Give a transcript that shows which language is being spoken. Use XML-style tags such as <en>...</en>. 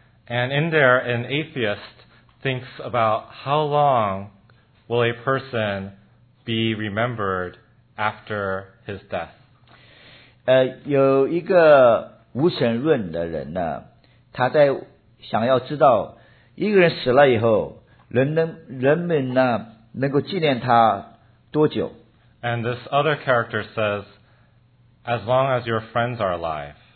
<en>And in there, an atheist thinks about how long will a person be remembered after his death.</en> <zh>有一个无神论的人呢，他在 想要知道一个人死了以后，人们呢能够纪念他多久？</zh> <en>And this other character says, as long as your friends are alive.</en>